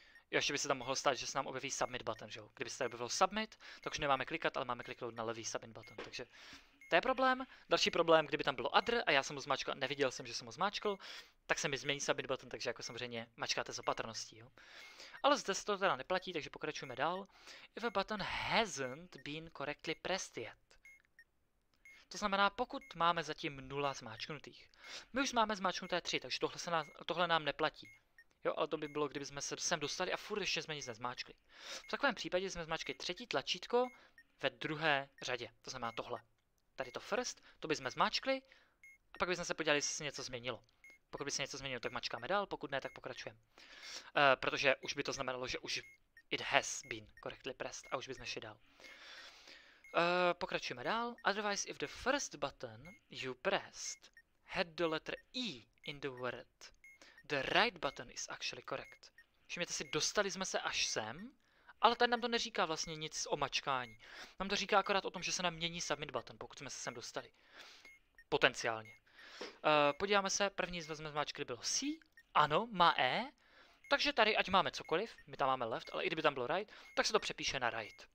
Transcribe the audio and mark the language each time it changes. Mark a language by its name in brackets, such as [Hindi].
[Czech] Ještě by se tam mohlo stát, že se nám objeví submit button, že jo? Kdyby se tady objevil submit, tak už nemáme klikat, ale máme kliknout na levý submit button. Takže to je problém. Další problém, kdyby tam bylo other a já jsem ho zmáčkl a neviděl jsem, že jsem ho zmáčkl, tak se mi změní submit button, takže jako samozřejmě mačkáte z opatrností, jo? Ale zde se to teda neplatí, takže pokračujeme dál. [English] If a button hasn't been correctly pressed yet. [Czech] To znamená, pokud máme zatím 0 zmáčknutých. My už máme zmáčknuté 3, takže tohle nám neplatí. Jo, ale to by bylo, kdybychom se sem dostali a furt ještě jsme nic nezmáčkli. V takovém případě jsme zmáčkli třetí tlačítko ve druhé řadě. To znamená tohle. Tady to first, to bychom zmáčkli a pak bychom se podívali, jestli se něco změnilo. Pokud by se něco změnilo, tak mačkáme dál, pokud ne, tak pokračujeme. Protože už by to znamenalo, že už [English] it has been correctly pressed [Czech] a už bychom šli dál. Pokračujeme dál. [English] Otherwise, if the first button you pressed had the letter E in the word, the right button is actually correct. [Czech] Všimněte si, dostali jsme se až sem, ale ten nám to neříká vlastně nic o mačkání. Nám to říká akorát o tom, že se nám mění submit button, pokud jsme se sem dostali. Potenciálně. Podíváme se, první z jsme zmáčkli bylo C. Ano, má E. Takže tady, ať máme cokoliv, my tam máme left, ale i kdyby tam bylo right, tak se to přepíše na right.